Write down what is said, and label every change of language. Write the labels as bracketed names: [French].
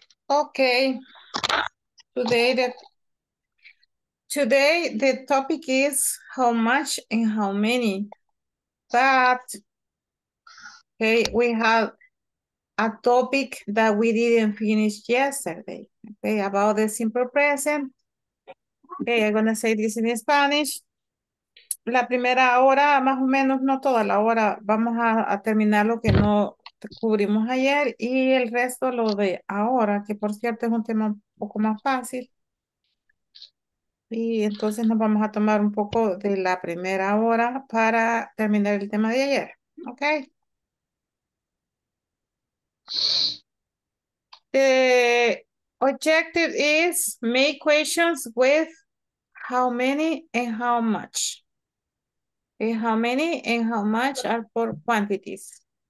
[English] Okay, today the topic is how much and how many, but okay, we have a topic that we didn't finish yesterday, okay, about the simple present. Okay, I'm gonna say this in Spanish. [Spanish] La primera hora, más o menos, no toda la hora, vamos a terminar lo que no cubrimos ayer y el resto lo de ahora, que por cierto es un tema un poco más fácil. Y entonces nos vamos a tomar un poco de la primera hora para terminar el tema de ayer. [English] Ok. The objective is make questions with how many and how much. Okay, how many and how much are for quantities.